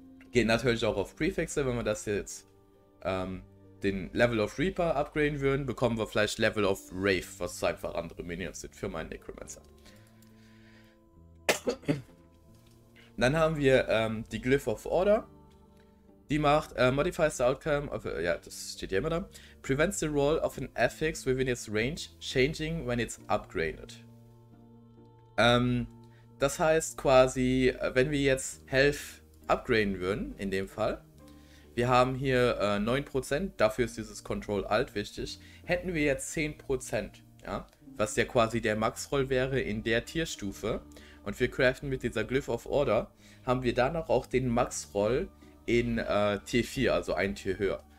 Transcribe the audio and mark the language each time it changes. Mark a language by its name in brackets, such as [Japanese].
[German] Geht natürlich auch auf Prefixe, wenn wir das jetzt den Level of Reaper upgraden würden, bekommen wir vielleicht Level of Wraith, was einfach andere Minions sind für meinen Necromancer. Dann haben wir die Glyph of Order. Die macht [English] modifies the outcome of a, [German] ja, das steht hier immer da. [English] Prevents the roll of an affix within its range changing when it's upgraded. [German] Das heißt quasi, wenn wir jetzt Health upgraden würden, in dem Fall, wir haben hier 9%, dafür ist dieses Control Alt wichtig. Hätten wir jetzt 10%, ja, was ja quasi der Max-Roll wäre in der Tierstufe, und wir craften mit dieser Glyph of Order, haben wir danach auch den Max-Roll in T4, also ein Tier höher.